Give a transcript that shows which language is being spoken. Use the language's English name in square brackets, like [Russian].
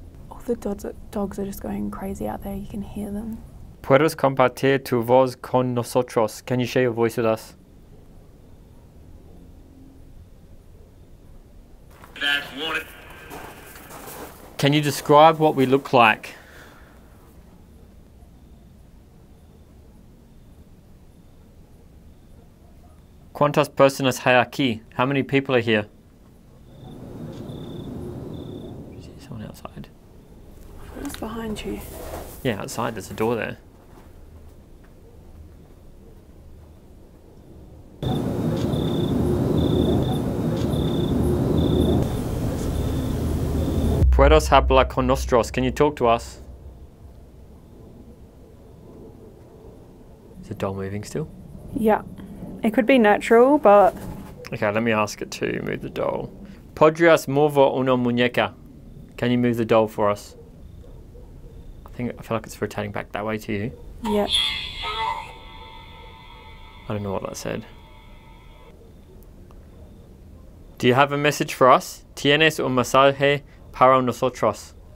[English] All the dogs are just going crazy out there. You can hear them. [Spanish] ¿Puedes compartir tu voz con nosotros? [English] Can you share your voice with us? Can you describe what we look like? [Spanish] ¿Cuántas personas hay aquí? [English] How many people are here? Is there someone outside? Who's behind you? Yeah, outside, there's a door there. [Spanish] ¿Puedes hablar con nosotros? [English] Can you talk to us? Is the doll moving still? Yeah. It could be natural, but... Okay, let me ask it to move the doll. [Spanish] ¿Podrías mover una muñeca? [English] Can you move the doll for us? I feel like it's rotating back that way to you. Yep. I don't know what that said. Do you have a message for us? [Spanish] ¿Tienes un mensaje para nosotros?